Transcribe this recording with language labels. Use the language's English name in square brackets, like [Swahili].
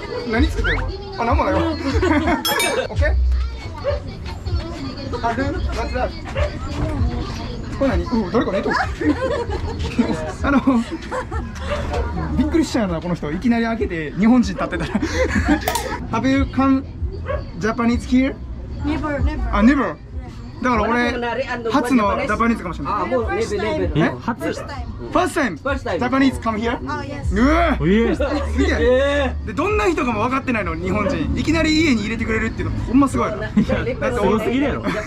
[Japanese] 何作ってるの？あ、何もないわ。 [English] OK？ [Japanese] あ、どういうの？ [English] What's that？ [Japanese] これ何？うん、誰か寝とる。あの、びっくりしちゃうな、この人。いきなり開けて日本人立ってたら。 [English] Have you come Japanese here？ Never, never. [Japanese] あ、 [English] never。 [Japanese] だから俺初のジャパニーズかもしれない。あ、もう [English] ネベネベ。え、 [Japanese] 初？ [English] ファーストタイム。ファーストタイム。ジャパニーズ come here？あ、 yes。 うえ。す [Japanese] げえ。でどんな人かも分かってないの日本人。いきなり家に入れてくれるっていうのほんますごい。いや、だって多すぎるやろ。